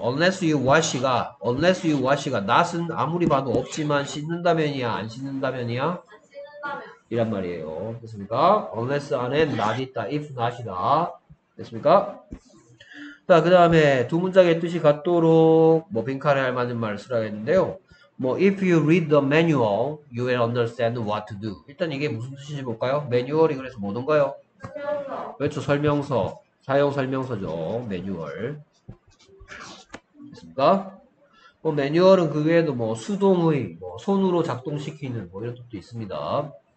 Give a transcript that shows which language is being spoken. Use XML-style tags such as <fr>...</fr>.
<ko>Unless you wash가 not은 아무리 봐도 없지만 씻는다면이야, 안 씻는다면이야? 이란 말이에요. 됐습니까? Unless 안에 not 있다, if not이다. 됐습니까? 자, 그 다음에 두 문장의 뜻이 같도록 뭐 빈칸에 알맞은 말을 쓰라겠는데요.</ko> <en>뭐, if you read the manual, you will understand what to do.</en> <ko>일단 이게 무슨 뜻인지 볼까요? 매뉴얼이 그래서 뭐던가요? 그렇죠. 설명서. 사용 설명서죠. 매뉴얼. 됐습니까? 뭐, 매뉴얼은 그 외에도 뭐, 수동의, 뭐, 손으로 작동시키는 뭐, 이런 것도 있습니다.</ko>